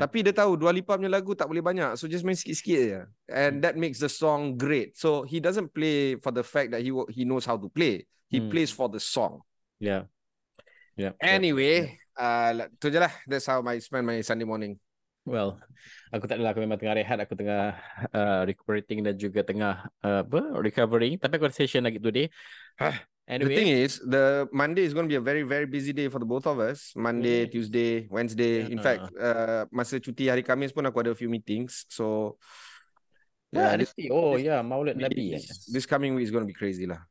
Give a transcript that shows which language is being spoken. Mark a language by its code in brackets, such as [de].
[ms] Tapi dia tahu Dua Lipa punya lagu tak boleh banyak, [en] so just [ms] main sikit-sikit je. [en] And that makes the song great. So he doesn't play for the fact that he knows how to play. He plays for the song. Yeah. Yeah. [ms] Anyway, tu je lah. [en] That's how I spend my Sunday morning. [ms] Well, aku tak adalah. Aku memang tengah rehat. Aku tengah recuperating dan juga tengah recovering. Tapi aku ada session lagi today. [en] Anyway. The thing is, the Monday is going to be a very, very busy day for the both of us. Monday, yeah. Tuesday, Wednesday. Yeah. In fact, [ms] masa cuti hari Khamis pun aku ada [en] a few meetings. So, yeah. Maulid Nabi. This coming week is going to be crazy lah.